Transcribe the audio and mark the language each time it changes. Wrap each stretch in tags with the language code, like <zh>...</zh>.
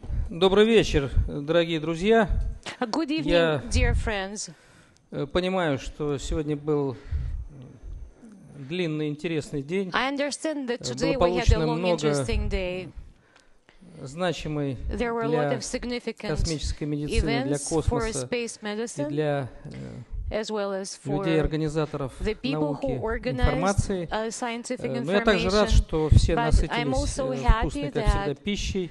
<ru>Добрый вечер, дорогие друзья.</ru> <en>Good evening, dear friends.</en> <ru>Я понимаю, что сегодня был длинный, интересный день.</ru> <en>I understand that today we had a long, interesting day.</en> <ru>Значимый</ru> <en>there were</en> <ru>для</ru> <en>a lot of significant</en> <ru>космической медицины, для космоса</ru> <en>for space medicine,</en> <ru>и для</ru> <en>as well as for</en> <ru>людей, организаторов</ru> <en>the people</en> <ru>науки,</ru> <en>who organized</en> <ru>информации.</ru> <en>Scientific information.</en> <ru>Но я также рад, что все насытились вкусной, как всегда, пищей.</ru>